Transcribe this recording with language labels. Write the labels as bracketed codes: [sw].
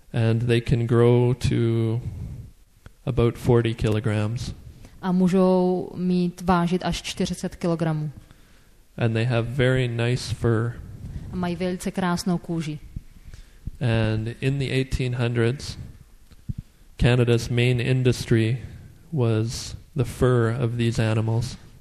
[en] And they can grow to about 40 kilograms. [cs] A můžou mít vážit až 40 kilogramů. [en] And they have very nice fur. [cs] A mají velice krásnou kůži. [en] And in the 1800s, Canada's main industry was the fur of these animals.